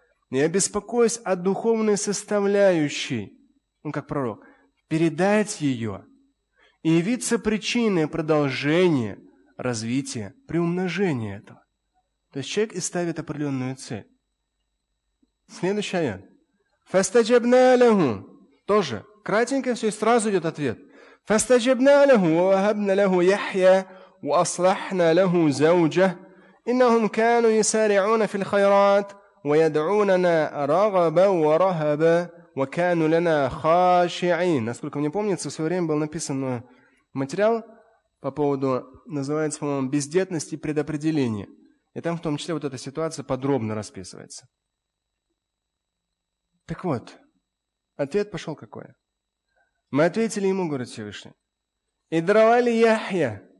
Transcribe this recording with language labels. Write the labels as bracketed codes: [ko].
[ru] Я беспокоюсь о духовной составляющей, ну, как пророк, передать ее и явиться причиной продолжения, развития, приумножения этого. То есть человек и ставит определенную цель. Следующий аят. «Фастаджабна ляху». Тоже. Кратенько все, и сразу идет ответ. «Фастаджабна ляху, вахабна ляху Яхья». [ar] وأصلحنا له زوجه إنهم كانوا يسارعون في الخيرات ويدعوننا رغبا ورهبا وكانوا لنا خاشعين. [ru] Насколько мне помнится, в свое время был написан материал по поводу, называется, по-моему, бездетность и предопределение. И там в том числе вот эта ситуация подробно расписывается. Так вот, ответ пошел какой? Мы ответили ему, говорит Всевышний, и даровали Яхья.